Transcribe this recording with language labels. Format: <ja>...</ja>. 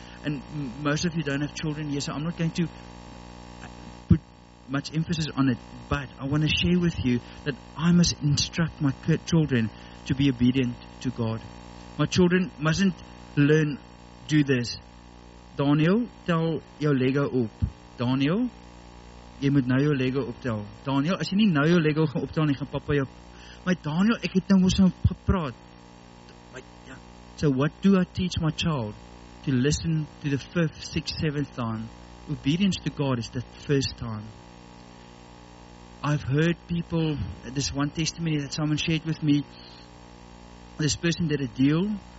<en>And most of you don't have children here, so I'm not going to put much emphasis on it. But I want to share with you that I must instruct my children to be obedient to God. My children mustn't learn do this. Daniel, tell your Lego up.</en> <af>Daniel, jy moet nou jou Lego optel. Daniel, as jy nie nou jou Lego gaan optel nie, gaan papa jou... My Daniel, ek het nou oor so gepraat.</af> <en>So what do I teach my child? To listen to the 5th, 6th, 7th time. Obedience to God is the first time. I've heard people, this one testimony that someone shared with me, this person did a deal.</en>